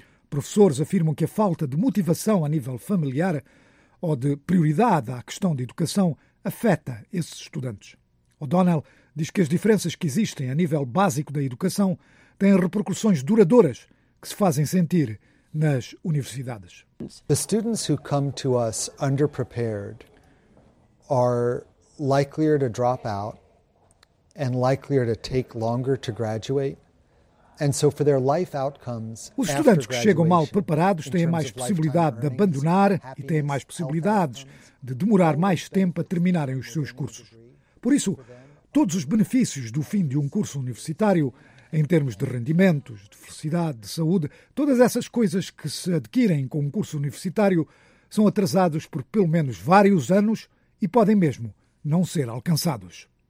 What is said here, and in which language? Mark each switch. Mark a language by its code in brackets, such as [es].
[pt] Professores afirmam que a falta de motivação a nível familiar ou de prioridade à questão de educação afeta esses estudantes. O'Donnell diz que as diferenças que existem a nível básico da educação têm repercussões duradouras que se fazem sentir nas universidades. [en] The students who come to us underprepared are likelier to drop out and likelier to take longer to graduate. And so for their life outcomes, [pt] os estudantes que chegam mal preparados têm mais possibilidade de abandonar e têm mais possibilidades de demorar mais tempo a terminarem os seus cursos. Por isso, todos os benefícios do fim de um curso universitário, em termos de rendimentos, de felicidade, de saúde, todas essas coisas que se adquirem com um curso universitário são atrasados por pelo menos vários anos e podem mesmo não ser alcançados.